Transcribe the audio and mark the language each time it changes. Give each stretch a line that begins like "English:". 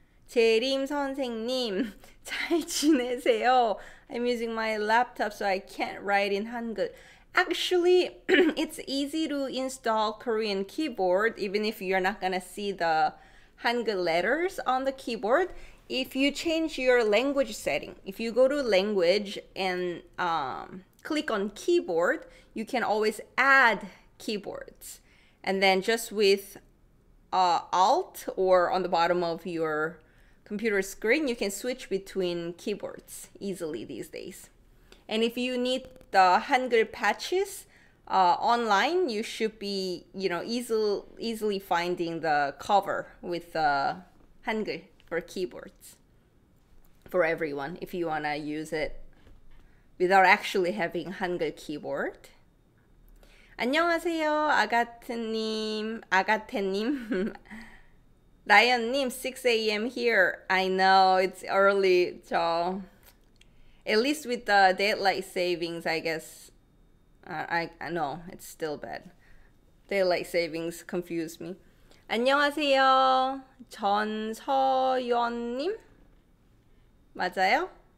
Korean: 재림 선생님, 잘 지내세요.
English: I'm using my laptop so I can't write in Hangul. Actually, it's easy to install Korean keyboard even if you're not gonna see the Hangul letters on the keyboard. If you change your language setting, if you go to language and click on keyboard, you can always add keyboards. And then just with Alt or on the bottom of your computer screen, you can switch between keyboards easily these days. And if you need the Hangul patches online, you should be, you know, easily finding the cover with the Hangul for keyboards for everyone if you want to use it without actually having Hangul keyboard.
Korean: 안녕하세요, 아가트님, 아가테님.
English: 라이언님, 6 a.m. here. I know, it's early, so at least with the daylight savings, I guess. I know, it's still bad. Daylight savings confuse me.
Korean: 안녕하세요, 전서연님? 맞아요?